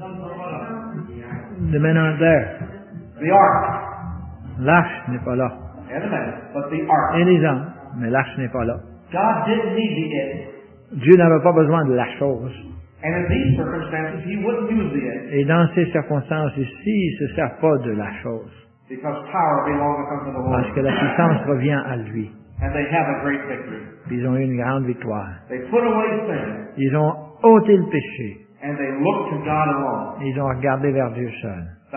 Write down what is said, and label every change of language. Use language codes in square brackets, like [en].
[en] The men aren't there. The ark. [fr] L'arche n'est pas là. [en] And the men, but the ark. [fr] Et les hommes, mais l'arche n'est pas là. [en] God didn't need the it. [fr] Dieu n'avait pas besoin de la chose. [en] And in these circumstances, he wouldn't use the it. [fr] Et dans ces circonstances ici, il ne se sert pas de la chose. [en] Because power belongs unto the Lord. [fr] Parce que la puissance revient à lui. [en] And they have a great victory. [fr] Ils ont eu une grande victoire. [en] They put away sin. [fr] Ils ont ôté le péché. [en] And they looked to God alone. [fr] Ils ont regardé vers Dieu seul.